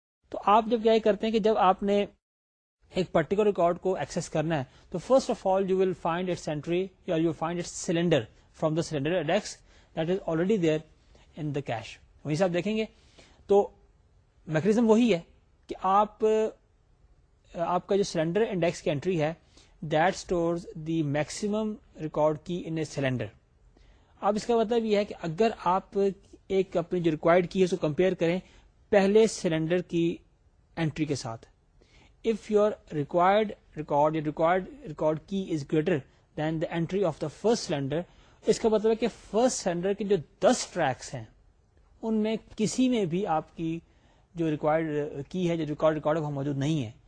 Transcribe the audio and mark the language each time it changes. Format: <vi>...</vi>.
<ur>تو آپ جب کیا کرتے ہیں کہ جب آپ نے ایک پرٹیکولر ریکارڈ کو ایکسس کرنا ہے تو</ur> <en>First of all you will find its entry یا you find its cylinder from the cylinder index that is already there in the cache.</en> <ur>وہیں سے آپ دیکھیں گے تو میکنیزم وہی ہے کہ آپ کا جو سلینڈر انڈیکس کی انٹری ہے</ur> <en>that stores the maximum record key in a cylinder.</en> <ur>اب اس کا مطلب یہ ہے کہ اگر آپ ایک اپنی جو ریکوائرڈ کی ہے اس کو کمپیئر کریں پہلے سلینڈر کی انٹری کے ساتھ.</ur> <en>if your required record یا required record key is greater than the entry of the first cylinder,</en> <ur>اس کا مطلب ہے کہ فرسٹ سلینڈر کے جو 10 ٹریکس ہیں ان میں کسی میں بھی آپ کی جو ریکوائرڈ کی ہے جو ریکارڈ ریکارڈ وہ موجود نہیں ہے.</ur>